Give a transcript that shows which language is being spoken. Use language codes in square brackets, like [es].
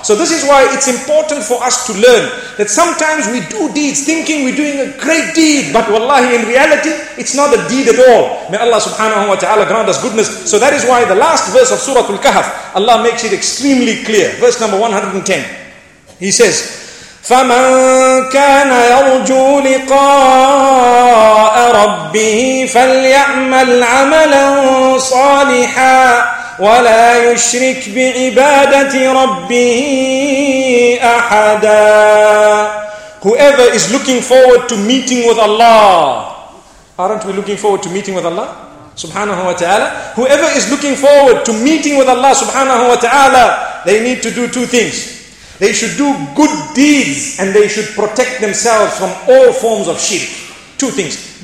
[en] So this is why it's important for us to learn that sometimes we do deeds thinking we're doing a great deed, but wallahi, in reality, it's not a deed at all. May Allah subhanahu wa ta'ala grant us goodness. So that is why the last verse of Surah Al-Kahf, Allah makes it extremely clear. Verse number 110. He says, [ar] فَمَنْ كَانَ يَرْجُو لِقَاءَ رَبِّهِ فَلْيَعْمَلْ عَمَلًا صَالِحًا وَلَا يُشْرِكْ بِعِبَادَةِ رَبِّهِ أَحَدًا. [en] Whoever is looking forward to meeting with Allah. Aren't we looking forward to meeting with Allah subhanahu wa ta'ala? Whoever is looking forward to meeting with Allah subhanahu wa ta'ala, they need to do two things. They should do good deeds and they should protect themselves from all forms of shirk. Two things.